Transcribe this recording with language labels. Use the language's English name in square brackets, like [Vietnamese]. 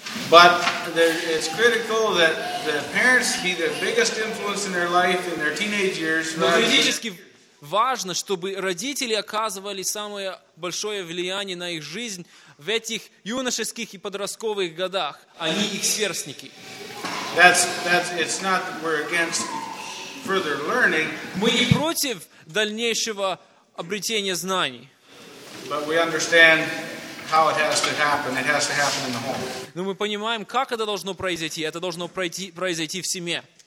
[English] But it's critical that the parents be the biggest influence in their life in their teenage years. [Russian] Но критически важно, чтобы родители оказывали самое большое влияние на их жизнь в этих юношеских и подростковых годах, а не их сверстники. [English] That's it's not we're against further learning. [Russian] Мы не против дальнейшего обретения знаний. [English] But we understand how it has to happen. It has to happen in the home. [Russian] Но мы понимаем, как это должно произойти. Это должно произойти в семье.